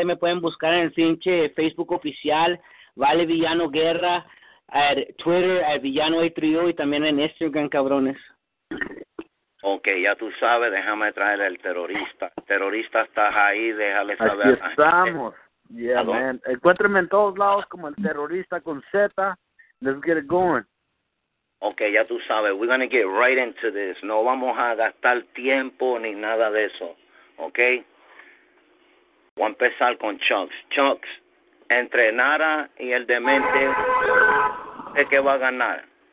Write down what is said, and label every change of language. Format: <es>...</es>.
<es>Ahí me pueden buscar en el pinche Facebook oficial, Vale Villano Guerra, Twitter, Villano A3O, y también en Instagram, cabrones. Ok, ya tú sabes, déjame traer al terrorista. Terrorista, estás ahí, déjale saber. Aquí estamos. Yeah, ¿aló? Man. Encuéntrenme en todos lados como el terrorista con Z.</es> <en>Let's get it going. Ok,</en> <es>ya tú sabes,</es> <en>we're going to get right into this.</en> <es>No vamos a gastar tiempo ni nada de eso. Ok. Voy a empezar con Chucks. Chucks, entre Narra y el Demente, ¿de qué va a ganar?</es>